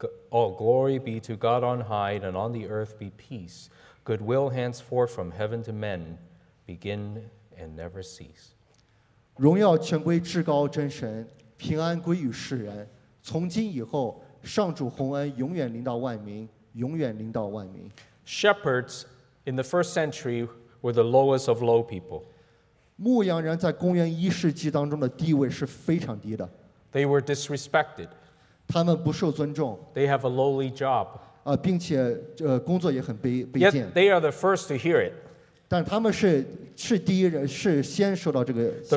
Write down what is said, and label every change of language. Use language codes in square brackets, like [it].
[en] All glory be to God on high, and on the earth be peace. Goodwill henceforth from heaven to men, begin and never cease. [zh] 荣耀全归至高真神。平安归于世人，从今以后，上主洪恩永远临到万民，永远临到万民。 [en] Shepherds in the first century were the lowest of low people. [zh] 牧羊人在公元一世纪当中的地位是非常低的。 [en] They were disrespected. [zh] 他们不受尊重。 [en] They have a lowly job. [zh] 并且工作也很卑贱。 [en] Yet they are the first to hear it. [zh] 但他们是第一人，是先收到这个消息的。